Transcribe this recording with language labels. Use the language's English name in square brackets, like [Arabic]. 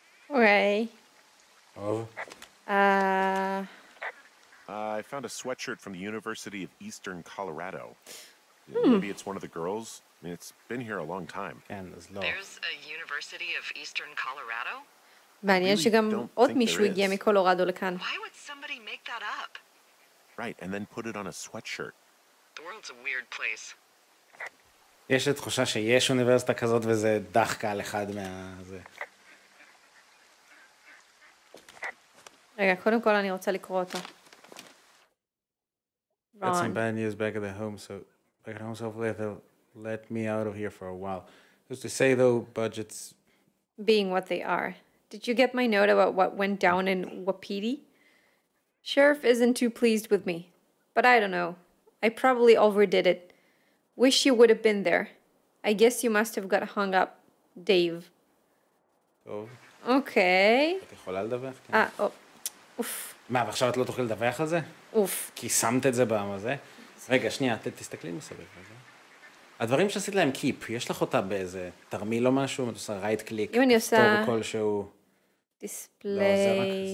[English] Okay. Oh. I found a sweatshirt from the University of Eastern Colorado. Hmm. Maybe it's one of the girls. I mean, it's been here a long time. And there's no... There's a University of Eastern Colorado? [Hebrew] מעניין שגם עוד מישהו הגיע מקולורדו לכאן. [English] Why would somebody make that up? Right, and then put it on a sweatshirt. The world's a weird place. [Hebrew] יש את תחושה שיש אוניברסיטה כזאת וזה דחקה על אחד מה... זה. רגע, קודם כל אני רוצה לקרוא אותו. [English] Got some bad news back at the home, so... Back at home, so hopefully they'll... let me out of here for a while. Who's to say, though, budgets... Being what they are. Did you get my note about what went down in Wapiti? Sheriff isn't too pleased with me. But I don't know. I probably overdid it. Wish you would have been there. I guess you must have got hung up, Dave. [Hebrew] טוב. אוקיי. את יכולה לדווח? אוף. מה, ועכשיו את לא תוכל לדווח על זה? אוף. כי שמת את זה במה זה? רגע, שנייה, תסתכלי מסביב על זה. הדברים שעשית להם קיפ, יש לך אותה באיזה תרמיל או משהו? את עושה רייט קליק. אם אני עושה... טוב כלשהו. דיספליי.